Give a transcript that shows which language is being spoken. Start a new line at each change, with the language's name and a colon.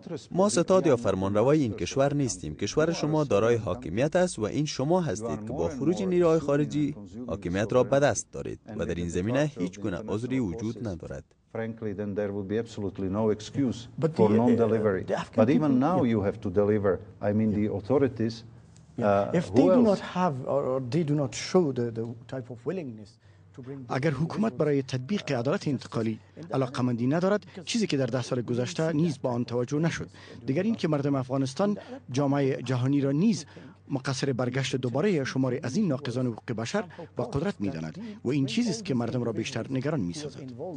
Persian: ما ستاد یا فرمانروای این کشور نیستیم. کشور شما دارای حاکمیت است و این شما هستید که با خروج نیروهای خارجی حاکمیت را به دست دارید و در این زمینه هیچ گونه عذری وجود ندارد.
English: Frankly, then there will be absolutely no excuse for non-delivery. But even now, you have to deliver. I mean, the authorities. If they do not have or they do not show the type of willingness.
Persian: اگر حکومت برای تطبیق عدالت انتقالی علاقمندی ندارد، چیزی که در 10 سال گذشته نیز با آن توجه نشد. دیگر این که مردم افغانستان جامعه جهانی را نیز مقصر برگشت دوباره شماری از این ناقضان حقوق بشر با قدرت می داند و این چیزی است که مردم را بیشتر نگران می سازد.